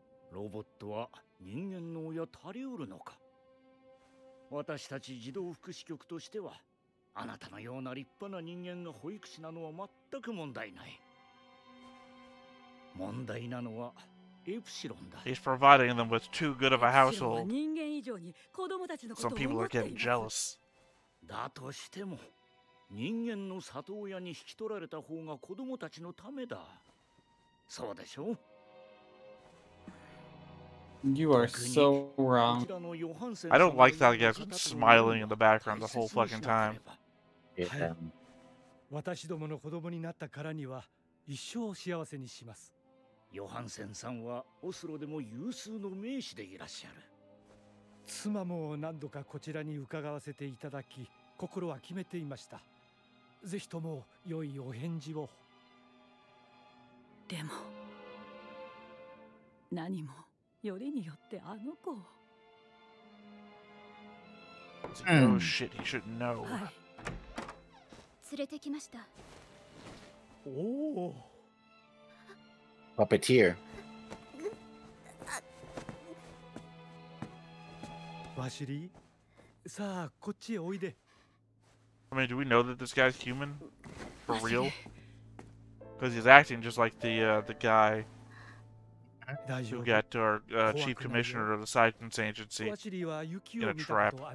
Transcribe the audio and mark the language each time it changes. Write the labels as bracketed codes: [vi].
[ja] ロボットは人間の親足りうるのか。私たち児童福祉局としては、あなたのような立派な人間が保育士なのは全く問題ない。問題なのはエプシロンだ。 [en] He's providing them with too good of a household. [ja] 人間以上に子供たちのことを思っています。 [en] Some people are getting jealous. [ja] だとしても人間の里親に引き取られた方が子供たちのためだ。そうでしょう。 [en] You are so wrong. I don't like that guy smiling in the background the whole fucking time. [ja] Yeah. 私どもの子供になったからには一生幸せにします。ヨハンセンさんはオスロでも有数の名士でいらっしゃる。妻も何度かこちらに伺わせていただき、心は決めていました。ぜひとも良いお返事を。でも何も。よりによってあの子。 [en] Oh shit, he should know. [ja] はい。連れてきました。おお。 [en] Puppeteer。 [ja] バシリー、さあこっちへおいで。 [en] I mean, do we know that this guy's human? For real? Because he's acting just like the guy. Who got to our chief commissioner of the Sightings Agency in a trap.